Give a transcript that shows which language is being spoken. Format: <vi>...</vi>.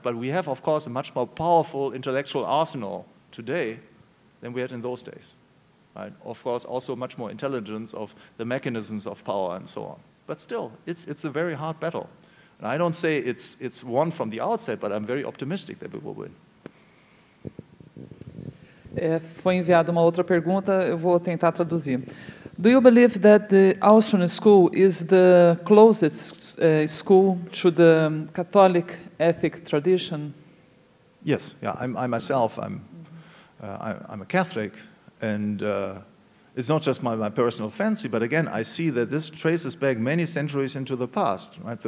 <en>But we have, of course, a much more powerful intellectual arsenal today than we had in those days, right? Of course, also much more intelligence of the mechanisms of power and so on. But still, it's a very hard battle. And I don't say it's won from the outset, but I'm very optimistic that we will win.</en> <pt>Foi enviada uma outra pergunta, eu vou tentar traduzir.</pt> <en>Do you believe that the Austrian school is the closest school to the Catholic ethic tradition? Yes, yeah, I'm a Catholic, and it's not just my personal fancy, but again, I see that this traces back many centuries into the past, right?</en>